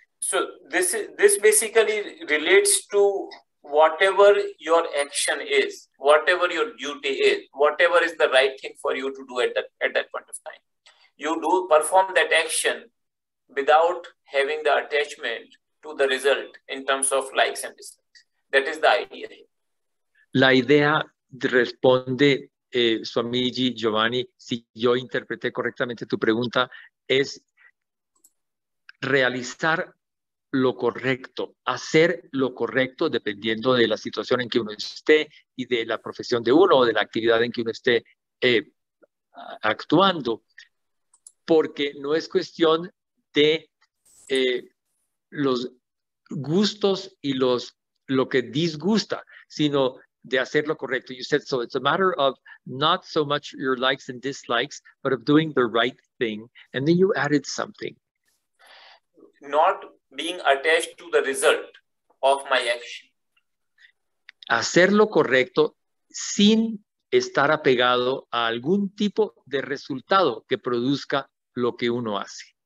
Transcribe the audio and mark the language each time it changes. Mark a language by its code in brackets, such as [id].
[en] So this basically relates to whatever your action is, whatever your duty is, whatever is the right thing for you to do at that point of time. You do perform that action without having the attachment to the result in terms of likes and dislikes. That is the idea. [es] La idea responde, Swamiji Giovanni, si yo interpreté correctamente tu pregunta, es realizar lo correcto, hacer lo correcto dependiendo de la situación en que uno esté y de la profesión de uno o de la actividad en que uno esté actuando, porque no es cuestión de los gustos y lo que disgusta, sino de hacer lo correcto. [en] You said, so it's a matter of not so much your likes and dislikes, but of doing the right thing. And then you added something. Not being attached to the result of my action. [es] Hacer lo correcto sin estar apegado a algún tipo de resultado que produzca lo que uno hace.